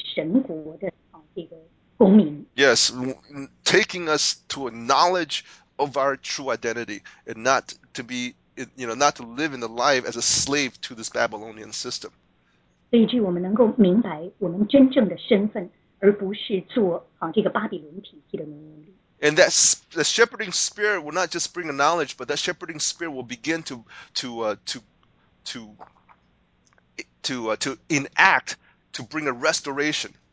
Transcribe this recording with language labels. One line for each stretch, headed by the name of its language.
Chinese: 那首先是会带给我们智慧，能够打开我们眼睛，看到我们的命定的蓝图，能够这个明白我们是神国的这个公民。
English: Yes, taking us to a knowledge of our true identity, and not to be, you know, not to live in the life as a slave to this Babylonian system.
Chinese: 以至于我们能够明白我们真正的身份，而不是做这个巴比伦体系的奴隶。
English: And that the shepherding spirit will not just bring a knowledge, but that shepherding spirit will begin to enact, to bring a restoration.